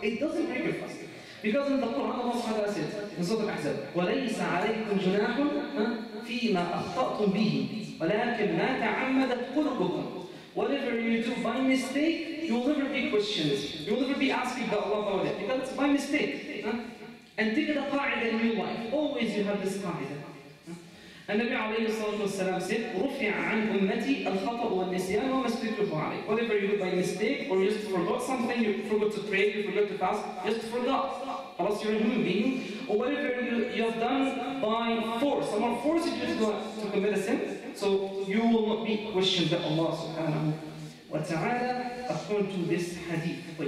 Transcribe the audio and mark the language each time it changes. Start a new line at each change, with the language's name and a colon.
English: It doesn't break your fast. Because in the Quran, Allah subhanahu wa ta'ala says, in Surah Al-Ahzab,
Arabic: وَلَيْسَ عَلَيْكُمْ جُنَاحٌ فِيمَا أَخْطَأْتُمْ بِهِ وَلَكِنْ مَا تَعَمَّدَتْ قُلُوبُكُمْ.
English: Whatever you do by mistake, you'll never be questioned. You'll never be asking about Allah about it. Because it's by mistake. And take the qa'idah in your life. Always you have this qa'idah. And Nabi alayhi salatu wasalam said,
Arabic: رُفِعَ عَنْ أُمَّتِي الْخَطَأُ وَالنِّسْيَانُ وَمَسْتِكْرُهُ عَلَيْهِ.
English: Whatever you do by mistake, or you just forgot something, you forgot to pray, you forgot to fast, just forgot. Plus you're a human being. Or whatever you have done by force, someone forced you to commit a sin, so you will not be questioned by Allah subhanahu wa ta'ala according to this hadith.